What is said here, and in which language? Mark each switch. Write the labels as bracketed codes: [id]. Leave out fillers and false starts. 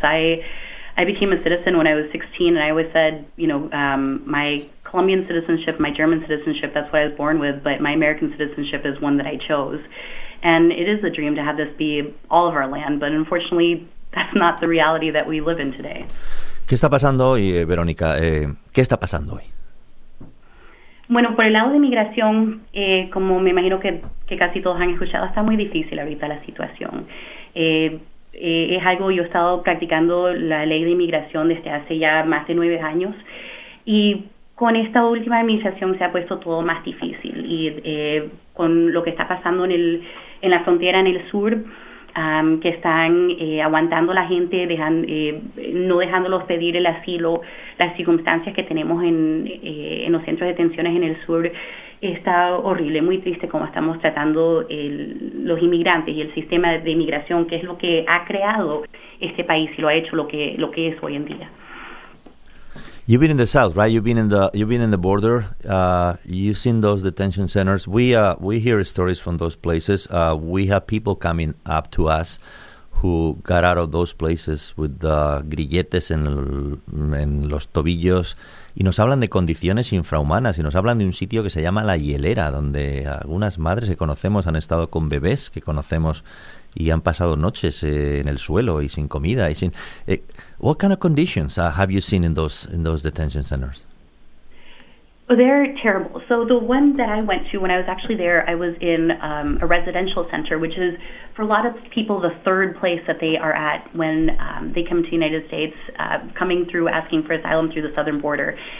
[en] I became a citizen when I was 16, and I always said, you know, my Colombian citizenship, my German citizenship, that's what I was born with, but my American citizenship is one that I chose. And it is a dream to have this be all of our land, but unfortunately, that's not the reality that we live in today. [es] ¿Qué está pasando hoy, Verónica? ¿Qué está pasando hoy? Bueno, por el lado de migración, como me imagino que casi todos han escuchado, está muy difícil ahorita la situación. Es algo, yo he estado practicando la ley de inmigración desde hace ya más de 9 años, y con esta última administración se ha puesto todo más difícil. Y con lo que está pasando en la frontera en el sur, que están aguantando la gente, no dejándolos pedir el asilo, las circunstancias que tenemos en los centros de detenciones en el sur, está horrible, muy triste cómo estamos tratando los inmigrantes y el sistema de inmigración, que es lo que ha creado este país y lo ha hecho lo que es hoy en día. [en] You've been in the south, right? You've been in the border. You've seen those detention centers. We hear stories from those places. We have people coming up to us who got out of those places with [es] grilletes en los tobillos, y nos hablan de condiciones infrahumanas, y nos hablan de un sitio que se llama La Hielera, donde algunas madres que conocemos han estado con bebés que conocemos y han pasado noches en el suelo y sin comida y sin... [en] What kind of conditions have you seen in those detention centers? Well, they're terrible. So the one that I went to when I was actually there, I was in a residential center, which is, for a lot of people, the third place that they are at when they come to the United States, coming through, asking for asylum through the southern border.